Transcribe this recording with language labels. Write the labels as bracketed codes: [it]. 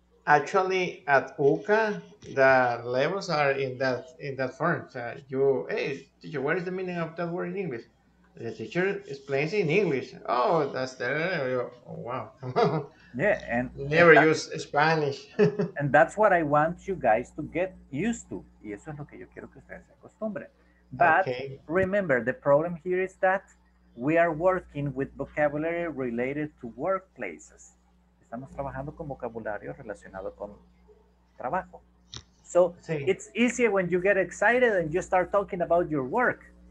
[en] Actually, at UCA, the levels are in that form. So you, hey, teacher, what is the meaning of that word in English? The teacher explains it in English. Oh, that's there. Oh, wow. Yeah, and never use Spanish. And that's what I want you guys to get used to. [es] Y eso es lo que yo quiero que ustedes se acostumbren. [en] But okay. remember, the problem here is that we are working with vocabulary related to workplaces. [es] Estamos trabajando con vocabulario relacionado con trabajo. [en] So [es] sí. [en] it's easier when you get excited and you start talking about your work.